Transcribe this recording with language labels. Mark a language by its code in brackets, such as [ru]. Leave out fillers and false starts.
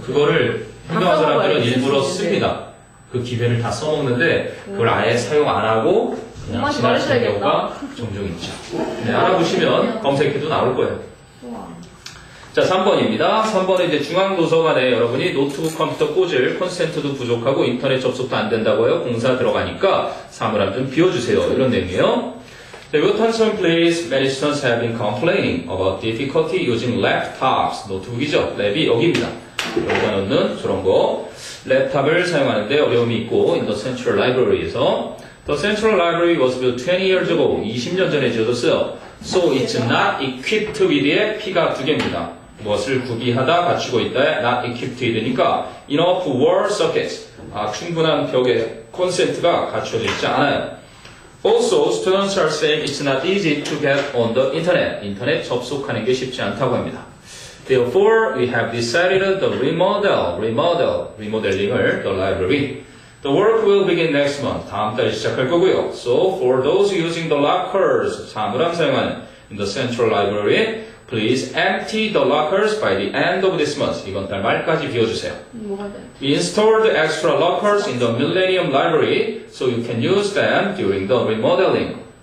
[ko] 그거를 현명한 사람들은 일부러 씁니다. 그 기회를 다 써먹는데 그걸 아예 사용 안 하고 그냥 지나치는 경우가 종종 있죠. 네, 알아보시면 검색해도 나올 거예요. 자, 3번입니다. 3번은 이제 중앙도서관에 여러분이 노트북 컴퓨터 꽂을 콘센트도 부족하고 인터넷 접속도 안 된다고 해요. 공사 들어가니까 사물함 좀 비워주세요. 이런 내용이에요. [en] The Wilton Place Managers have been complaining about difficulty using laptops. [ko] 노트북이죠. 랩이 여기입니다. 여기다 넣는 저런 거. 랩탑을 사용하는데 어려움이 있고 in the Central Library에서 [en] The Central Library was built 20 years ago. [ko] 20년 전에 지어졌어요. [en] So it's not equipped with [ko] 의 P가 두 개입니다. 무엇을 구비하다 갖추고 있다에 not equipped with니까 [en] enough wall sockets. [ko] 아, 충분한 벽에 콘센트가 갖춰져 있지 않아요. [en] Also, students are saying it's not easy to get on the internet. [ko] 인터넷 접속하는 게 쉽지 않다고 합니다. [en] Therefore, we have decided to remodeling the library. The work will begin next month. [ko] 다음 달에 시작할 거고요. [en] So, for those using the lockers, [ko] 사물함 사용하는 [en] in the central library, please empty the lockers by the end of this month. [ko] 이번 달 말까지 비워주세요. [en] We installed extra lockers in the Millennium Library, so you can use them during the remodeling.